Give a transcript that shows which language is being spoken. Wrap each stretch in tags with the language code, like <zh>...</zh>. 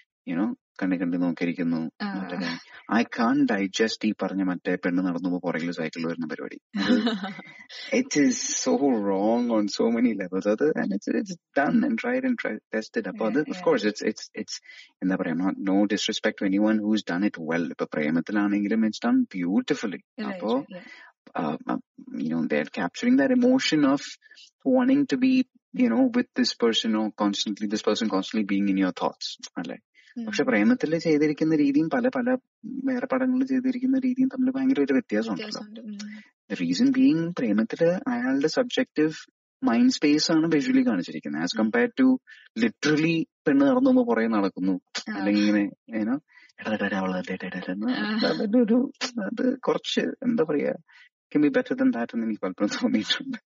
<ml>You know കണ്ണി കണ്ടി നോക്കിയിരിക്കുന്നു.</ml> <en>I can digest</en> <ml>ഈ പറഞ്ഞ മറ്റേ പെണ്ണ് നടന്നുമ്പോ പുറകില് സൈക്കിൾ വരുന്ന പരിപാടി.</ml> <en>It is so wrong on so many levels. അത് done and tried and tested.</en> <ml>അപ്പൊ അത്</ml> <en>of course it's</en> <ml>എന്താ പറയാ,</ml> <en>No disrespect to anyone who's done it well.</en> <ml>ഇപ്പൊ പ്രേമത്തിലാണെങ്കിലും</ml> <en>It's done beautifully. അപ്പോ you know, they're capturing that emotion of wanting to be, you know, with this person or constantly, this person constantly being in your thoughts.</en> <ml>പക്ഷെ പ്രേമത്തിൽ ചെയ്തിരിക്കുന്ന രീതിയും പല പല വേറെ പടങ്ങളിൽ ചെയ്തിരിക്കുന്ന രീതിയും തമ്മിൽ ഭയങ്കര ഒരു വ്യത്യാസം ഉണ്ടല്ലോ.</ml> <en>the reason being,</en> <ml>പ്രേമത്തില് അയാളുടെ</ml> <en>subjective mind space</en> <ml>ആണ് വിഷ്വലി കാണിച്ചിരിക്കുന്നത്,</ml> <en>as compared to literally</en> <ml>പെണ്ണ് നടന്നു പുറകെ നടക്കുന്നു അല്ലെങ്കിൽ ഇങ്ങനെ ഏനോ ഇടതടരാവളൊരു അത് കുറച്ച് എന്താ പറയാ,</ml> <en>can be better than that</en> <ml>എന്ന് എനിക്ക് പലപ്പോഴും തോന്നിയിട്ടുണ്ട്.</ml>